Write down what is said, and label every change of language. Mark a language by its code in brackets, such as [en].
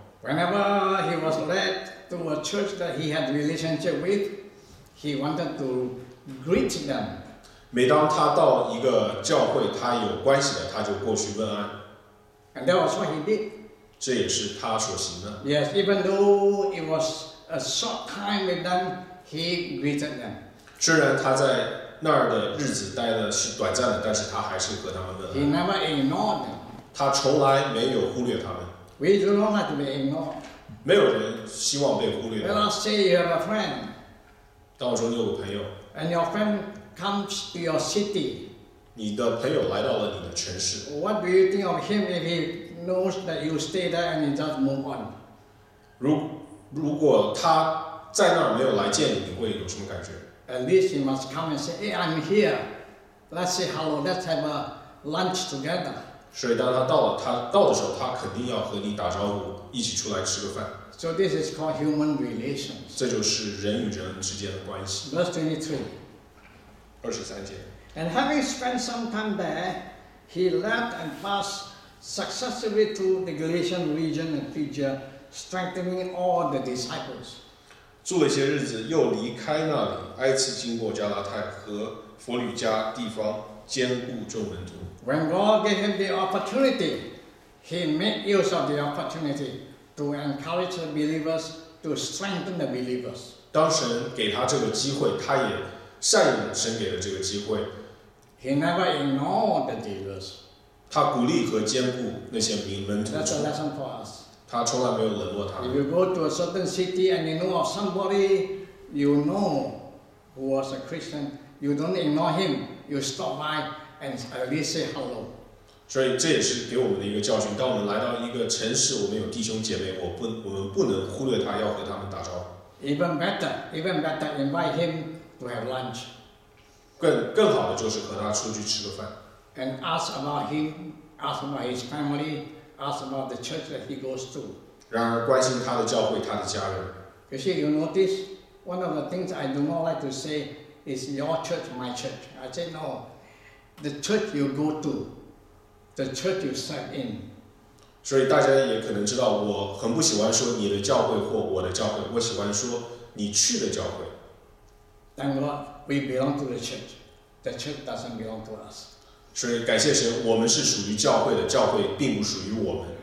[en] Whenever he was led to a church that he had relationship with, he wanted to greet them. [zh] 每当他到一个教会他有关系的，他就过去问安。 [en] And that was what he did. [zh] 这也是他所行的。 [en] Yes, even though it was. A short time with them, he greeted them. [zh] 虽然他在那儿的日子待的是短暂的，但是他还是和他们问安。 [en] He never ignored them. [zh] 他从来没有忽略他们。 [en] We do not like to be ignored. [zh] 没有人希望被忽略。 [en] Let us say you have a friend. [zh] 当我说你有个朋友。 [en] And your friend comes to your city. [zh] 你的朋友来到了你的城市。 [en] What do you think of him if he knows that you stay there and you just move on? [zh] 如果他在那儿没有来见你，你会有什么感觉 [en] ？At least he must come and say, "Hey, I'm here. Let's say hello. Let's have a lunch together." [zh] 所以当他到了，他到的时候，他肯定要和你打招呼，一起出来吃个饭。 [en] So this is called human relations. [zh] 这就是人与人之间的关系。 [en] Verse 23. [zh] 二十三节。 [en] And having spent some time there, he left and passed successively to the Galatian region and Phrygia. Strengthening all the disciples. [zh] 住了一些日子，又离开那里，挨次经过加拉太和弗吕加地方，兼顾众门徒。 [en] When God gave him the opportunity, he made use of the opportunity to encourage the believers, to strengthen the believers. [zh] 当神给他这个机会，他也善用神给的这个机会。 [en] He never ignored the believers. [zh] 他鼓励和兼顾那些门徒。 [en] That's a lesson for us. [zh] 他从来没有冷落他们。 [en] If you go to a certain city and you know of somebody you know who was a Christian, you don't ignore him. You stop by and at least say hello. [zh] 所以这也是给我们的一个教训。当我们来到一个城市，我们有弟兄姐妹，我们不能忽略他，要和他们打招呼。 [en] Even better, invite him to have lunch. [zh] 更好的就是和他出去吃个饭。 [en] And ask about him ask about his family, ask about the church that he goes to. [zh] 然而关心他的教会，他的家人。可是 [en] you notice, one of the things I do not like to say is your church, my church. I say no, the church you go to, the church you sit in. [zh] 所以大家也可能知道，我很不喜欢说你的教会或我的教会，我喜欢说你去的教会。 [en] Thank God, we belong to the church. The church doesn't belong to us. [zh] 所以感谢神，我们是属于教会的，教会并不属于我们。